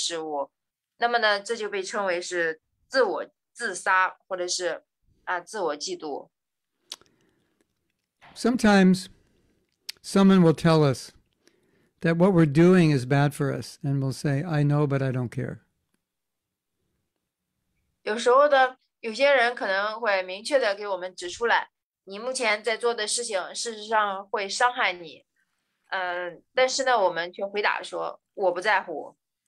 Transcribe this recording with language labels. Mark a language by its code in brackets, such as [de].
[zh] 那么呢，就是像这种情况呢，就被比喻成，就是你已经被赐予了这个灵性的知识，但是呢，你却没有恰当的去利用，你把它搁置起来，你仍然去追求那些物质的事物，那么呢，这就被称为是自我。自杀或者是自我嫉妒。 [en] Sometimes someone will tell us that what we're doing is bad for us and we'll say, I know, but I don't care. [zh] 有时候呢，有些人可能会明确的给我们指出来，你目前在做的事情事实上会伤害你，但是呢，我们却回答说，我不在乎。